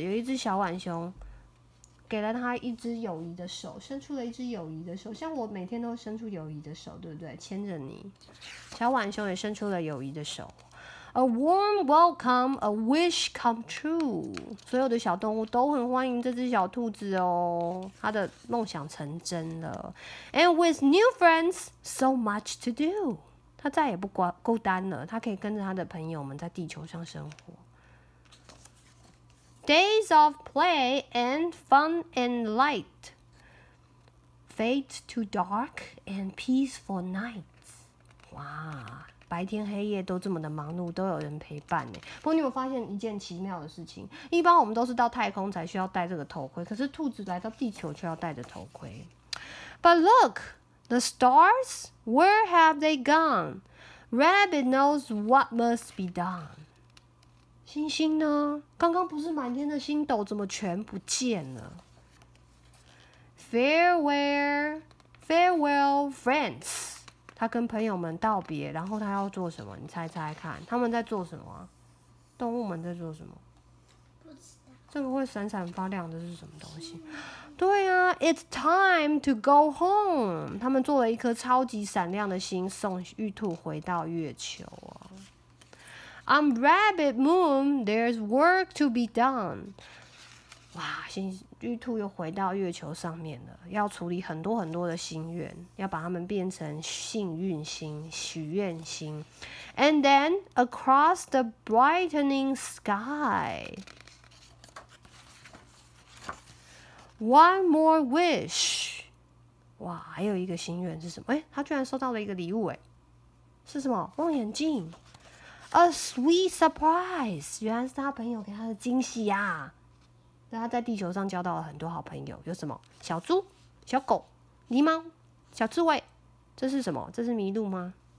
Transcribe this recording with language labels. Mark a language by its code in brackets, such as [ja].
[zh] 有一只小浣熊。给了他一只友谊的手，伸出了一只友谊的手，像我每天都伸出友谊的手，对不对？牵着你，小浣熊也伸出了友谊的手。 [en] A warm welcome, a wish come true。 [zh] 所有的小动物都很欢迎这只小兔子哦，它的梦想成真了。 [en] And with new friends, so much to do。 [zh] 它再也不孤单了，它可以跟着它的朋友们在地球上生活。 [en] Days of play and fun and light fade to dark and peaceful nights. [zh] 哇，白天黑夜都这么的忙碌，都有人陪伴呢。不过你有发现一件奇妙的事情？一般我们都是到太空才需要戴这个头盔，可是兔子来到地球却要戴着头盔。 [en] But look, the stars, where have they gone? Rabbit knows what must be done. [zh] 星星呢？刚刚不是满天的星斗，怎么全不见了 ？ [en] Farewell, friends。 [zh] 他跟朋友们道别，然后他要做什么？你猜猜看，他们在做什么？动物们在做什么？不知道。这个会闪闪发亮的是什么东西？对啊 [en] ，It's time to go home。 [zh] 他们做了一颗超级闪亮的星，送玉兔回到月球啊。 [en] On Rabbit Moon, there's work to be done. [zh] 哇，玉兔又回到月球上面了，要处理很多很多的心愿，要把它们变成幸运星、许愿星。 [en] And then across the brightening sky, one more wish. [zh] 哇，还有一个心愿是什么？他居然收到了一个礼物，是什么？望远镜。 [en] A sweet surprise， [zh] 原来是他朋友给他的惊喜啊。他在地球上交到了很多好朋友，有什么？小猪、小狗、狸猫、小刺猬，这是什么？这是麋鹿吗？